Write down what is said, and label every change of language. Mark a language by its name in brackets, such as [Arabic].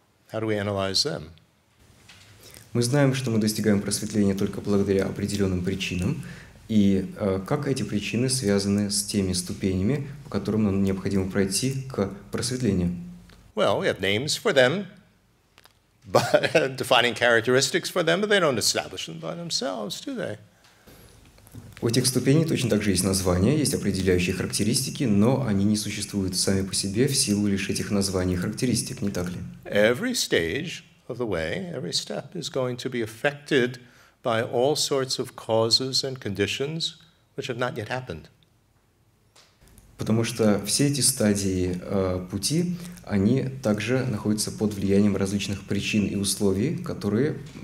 [English] How do we analyze them? [Russian] Мы знаем, что мы достигаем просветления только благодаря определенным причинам, и как эти причины связаны с теми ступенями, по которым нам необходимо пройти к просветлению? [English] Well, we have names for them, but defining characteristics for them, but they don't establish them by themselves, do they? [Russian] У этих ступеней точно так же есть названия, есть определяющие характеристики, но они не существуют сами по себе в силу лишь этих названий и характеристик, не так ли? [English] Every stage of the way, every step is going to be affected by all sorts of causes and conditions which have not yet happened. [Russian] Потому что все эти стадии пути, они также находятся под влиянием различных причин и условий, которые...